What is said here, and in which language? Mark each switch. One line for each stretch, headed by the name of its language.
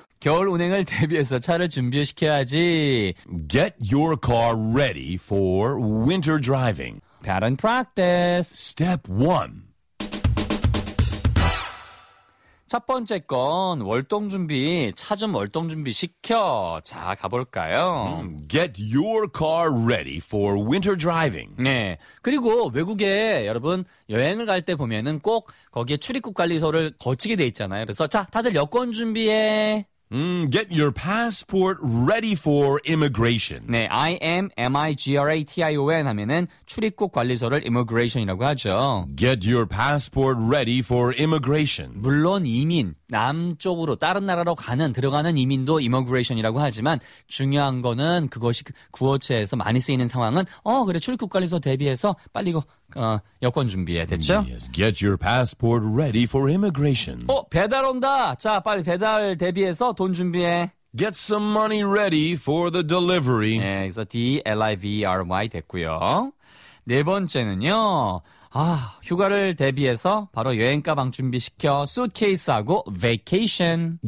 Korean: 겨울 운행을 대비해서 차를 준비시켜야지.
English: Get your car ready for winter driving.
Korean: 발언 practice.
English: Step 1.
Korean: 첫 번째 건 월동 준비, 차 좀 월동 준비시켜. 자, 가볼까요?
English: Get your car ready for winter driving.
Korean: 네, 그리고 외국에 여러분 여행을 갈 때 보면은 꼭 거기에 출입국 관리소를 거치게 돼 있잖아요. 그래서 자, 다들 여권 준비해.
English: Get your passport ready for immigration.
Korean: 네, I-M-M-I-G-R-A-T-I-O-N 하면은 출입국 관리소를 immigration이라고 하죠.
English: Get your passport ready for immigration.
Korean: 물론 이민, 남쪽으로 다른 나라로 가는, 들어가는 이민도 immigration이라고 하지만 중요한 거는 그것이 구어체에서 많이 쓰이는 상황은 그래, 출입국 관리소 대비해서 빨리 이거 여권 준비해. 됐죠?
English: Yes. Get your passport ready for immigration.
Korean: 배달 온다. 자, 빨리 배달 대비해서 돈 준비해.
English: Get some money ready for the delivery.
Korean: 네, 그래서 D-L-I-V-E-R-Y 됐고요. 네 번째는요. 휴가를 대비해서 바로 여행 가방 준비시켜. 수트케이스하고 vacation.